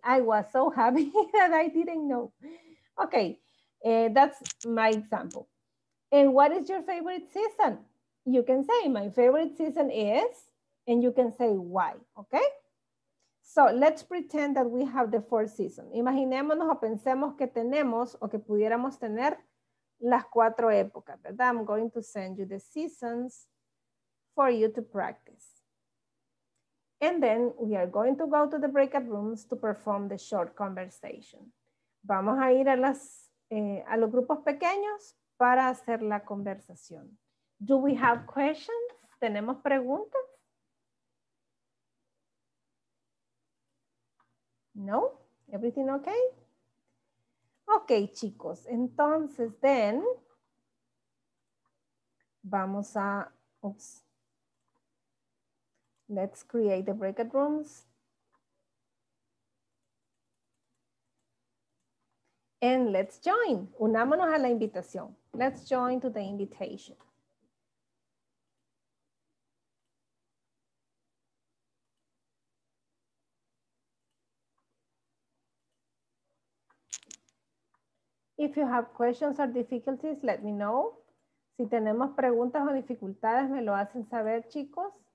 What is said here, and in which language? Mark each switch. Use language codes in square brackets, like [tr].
[en] I was so happy that I didn't know. Okay, that's my example. And what is your favorite season? You can say my favorite season is, and you can say why, okay? So let's pretend that we have the four seasons. [es] Imaginémonos o pensemos que tenemos o que pudiéramos tener las cuatro épocas, ¿verdad? [en] I'm going to send you the seasons for you to practice. And then we are going to go to the breakout rooms to perform the short conversation. [es] Vamos a ir a los grupos pequeños para hacer la conversación. [en] Do we have questions? [es] ¿Tenemos preguntas? [en] No? Everything okay? Okay, chicos. [es] Entonces, then, vamos a, oops. [en] Let's create the breakout rooms. And let's join. [es] Unámonos a la invitación. [en] Let's join to the invitation. If you have questions or difficulties, let me know. [es] Si tenemos preguntas o dificultades, me lo hacen saber, chicos.